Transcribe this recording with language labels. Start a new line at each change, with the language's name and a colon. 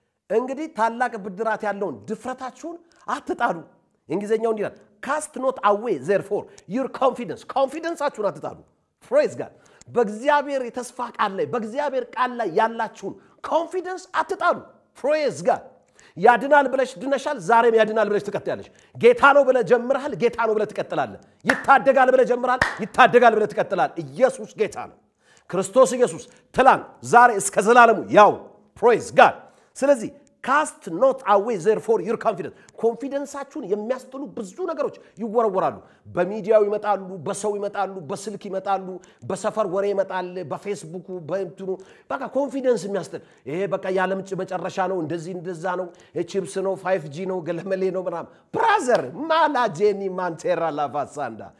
Amharic: እንግዲህ ታላቅ ብድራት ያለውን ድፍረታችሁን አትጣሉ። እንግሊዝኛው እንዲህ ይላል፣
English: ካስት ኖት አዌ ዘርፎር ዩር ኮንፊደንስ፣
Amharic: ኮንፊደንሳችሁን አትጣሉ።
English: ፕሬዝ ጋድ።
Amharic: በእግዚአብሔር የተስፋ ቃል ላይ በእግዚአብሔር ቃል ላይ ያላችሁን ኮንፊደንስ አትጣሉ። ፕሬዝ ጋድ። ያድናል ብለሽ ድነሻል፣ ዛሬም ያድናል ብለሽ ትቀጥያለሽ። ጌታ ነው ብለህ ጀምረሃል፣ ጌታ ነው ብለህ ትቀጥላለህ። ይታደጋል ብለህ ጀምረሃል፣ ይታደጋል ብለህ ትቀጥላለህ። ኢየሱስ ጌታ ነው። ክርስቶስ ኢየሱስ ትላንት ዛሬ እስከ ዘላለሙ ያው።
English: ፕሬዝ ጋድ።
Amharic: ስለዚህ
English: cast not away therefore your confidence.
Amharic: ኮንፊደንሳችሁን የሚያስጥሉ ብዙ ነገሮች ይወረወራሉ። በሚዲያው ይመጣሉ፣ በሰው ይመጣሉ፣ በስልክ ይመጣሉ፣ በሰፈር ወሬ ይመጣል፣ በፌስቡክ በእንትኑ በቃ ኮንፊደንስ የሚያስጥል ይሄ በቃ ያለም ጭበጨረሻ ነው፣ እንደዚህ እንደዛ ነው፣ ቺፕስ ነው፣ 5G ነው፣ ገለመሌ ነው ምናም። Brother, ማላጄኒ ማንቴራ ላፋሳንዳ.